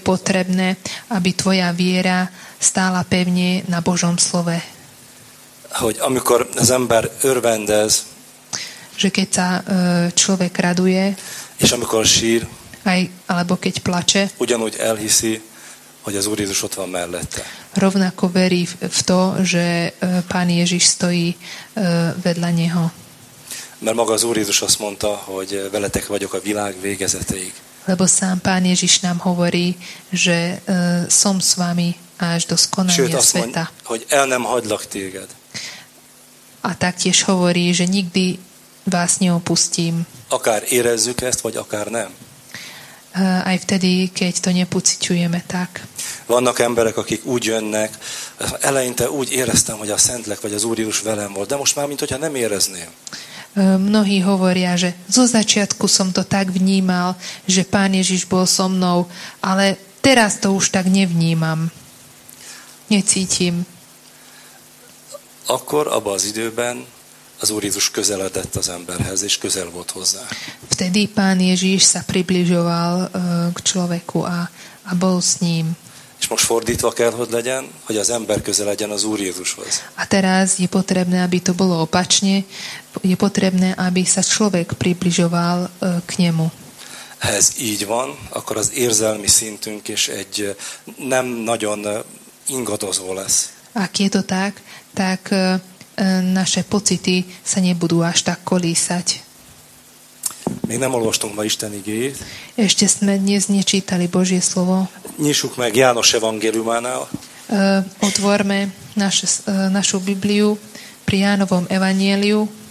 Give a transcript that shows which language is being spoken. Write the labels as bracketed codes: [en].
[sk] potrebné, aby tvoja viera stála pevne na Božom slove. [hu] Hogy amikor az ember örvendez, [sk] že keď sa človek raduje, [hu] és amikor sír, [sk] aj, alebo keď plače, [hu] ugyanúgy elhiszi, hogy az Úr Jézus ott van mellette. [sk] Rovnako verí v to, že Pán Ježiš stojí vedľa neho. [hu] Mert maga az Úr Jézus azt mondta, hogy veletek vagyok a világ végezeteig. [sk] Lebo sám Pán Ježiš nám hovorí, že som s vami až do skonania sveta. [hu] Sőt, azt mondja, hogy el nem hagylak téged. [sk] A taktiež hovorí, že nikdy vás neopustím. [hu] Akár érezzük ezt, vagy akár nem. [sk] Aj vtedy, keď to nepucitujeme, tak. [hu] Vannak emberek, akik úgy jönnek, eleinte úgy éreztem, hogy a Szentlélek vagy az Úr Jézus velem volt, de most már, mint hogyha nem érezném. [sk] Mnohí hovoria, že zo začiatku som to tak vnímal, že Pán Ježiš bol so mnou, ale teraz to už tak nevnímam. Necítim. [hu] Akkor, abban az időben, az Úr Jézus közeledett az emberhez, és közel volt hozzá. [sk] Vtedy Pán Ježíš sa približoval k človeku a bol s ním. [hu] És most fordítva kell, hogy legyen, hogy az ember közel legyen az Úr Jézushoz. [sk] A teraz je potrebné, aby to bolo opačne, je potrebné, aby sa človek približoval k nemu. [hu] Ha ez így van, akkor az érzelmi szintünk is egy nem nagyon ingadozó lesz. [sk] Ak je to tak, tak naše pocity sa nebudú až tak kolísať. [hu] Még nem olvastunk ma Isten igéjét. [sk] Ešte sme dnes nečítali Božie slovo. [hu] Nyissuk meg János evangéliumánál. [sk] Otvorme našu Bibliu pri Jánovom evanjeliu.